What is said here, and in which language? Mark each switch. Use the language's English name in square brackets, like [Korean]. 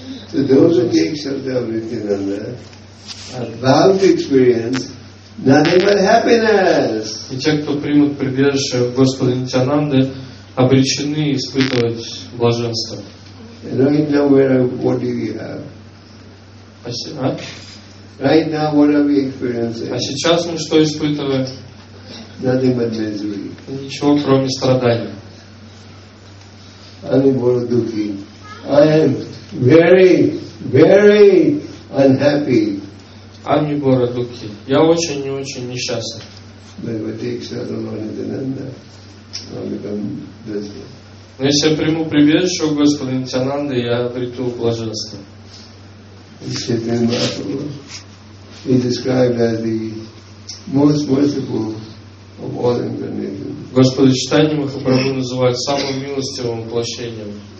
[English] So those who take shelter of Nityananda are bound to experience nothing but happiness. [Russian] И те, кто примут прибежище в Господе Нитянанды, обречены испытывать блаженство. [English] Right now, what do we have? [Russian] Спасибо. [English] Right now, what are we experiencing? [Russian] А сейчас мы что испытываем? [English] Nothing but misery. [Russian] Ничего, кроме страданий. [English] I'm very dukhi. I am very, very unhappy. I'm very dukhi. [Russian] Я очень и очень несчастный. [English] But if I take shelter of Nityananda, I'll become blissful. [Russian] Но если я приму прибежище у Господа Нитянанды, я обрету блаженство. Господь Чайтанья Махапрабху называет самым милостивым воплощением.